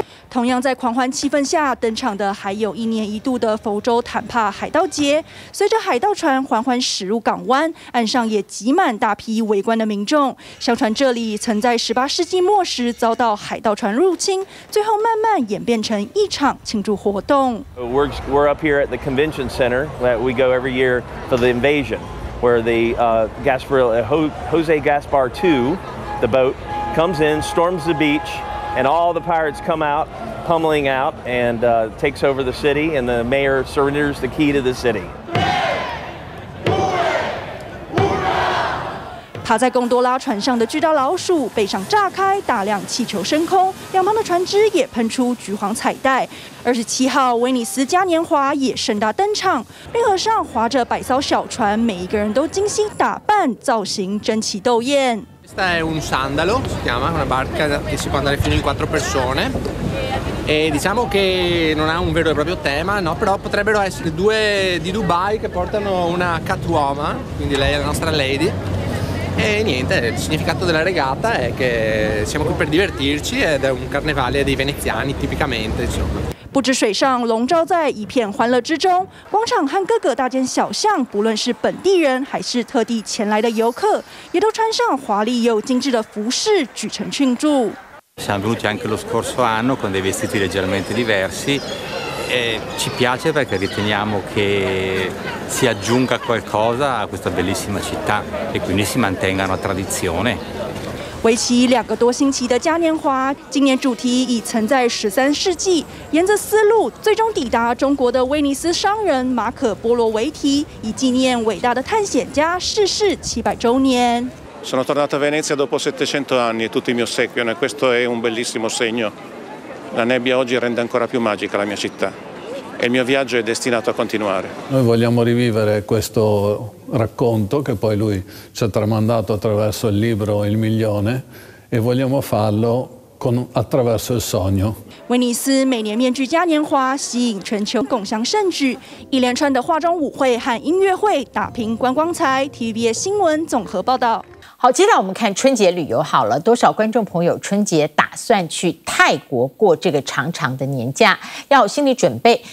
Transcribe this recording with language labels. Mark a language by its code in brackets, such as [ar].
[zh] 同样在狂欢气氛下登场的还有一年一度的佛州坦帕海盗节。随着海盗船缓缓驶入港湾，岸上也挤满大批围观的民众。相传这里曾在18世纪末时遭到海盗船入侵，最后慢慢演变成一场庆祝活动。 [en] We're up here at the convention center that we go every year for the invasion, where the Jose Gaspar II, the boat, comes in, storms the beach. And all the pirates come out, pummeling out, and takes over the city, and the mayor surrenders the key to the city. [zh] 他在贡多拉船上的巨大老鼠背上炸开，大量气球升空，两旁的船只也喷出橘黄彩带。 27号，威尼斯嘉年华也盛大登场，运河上划着百艘小船，每一个人都精心打扮，造型争奇斗艳。 [it] Questa è un sandalo, si chiama, una barca che si può andare fino in 4 persone. E diciamo che non ha un vero e proprio tema, no? Però potrebbero essere 2 di Dubai che portano una catwoman, quindi lei è la nostra lady. E niente, il significato della regata è che siamo qui per divertirci ed è un carnevale dei veneziani tipicamente, insomma. [zh] 不止水上笼罩在一片欢乐之中，广场和各个大街小巷，不论是本地人还是特地前来的游客，也都穿上华丽又精致的服饰，举城庆祝。 [it] Siamo venuti anche lo scorso anno con dei vestiti leggermente diversi. Ci piace perché riteniamo che si aggiunga qualcosa a questa bellissima città e quindi si mantenga una tradizione. [zh] 为期两个多星期的嘉年华，今年主题已存在十三世纪，沿着丝路最终抵达中国的威尼斯商人马可波罗维提，以纪念伟大的探险家逝世700周年。 [it] Sono tornato a Venezia dopo 700 anni e tutti mi ossequiano e questo è un bellissimo segno. La nebbia oggi rende ancora più magica la mia città e il mio viaggio è destinato a continuare. Noi vogliamo rivivere questo racconto che poi lui ci ha tramandato attraverso il libro Il Milione e vogliamo farlo attraverso il sogno. [zh] 威尼斯每年面具嘉年华吸引全球共襄盛举，一连串的化妆舞会和音乐会打拼观光财。 TVBS 新闻综合报道。好，接下来我们看春节旅游好了，多少观众朋友春节打算去泰国过这个长长的年假，要有心理准备。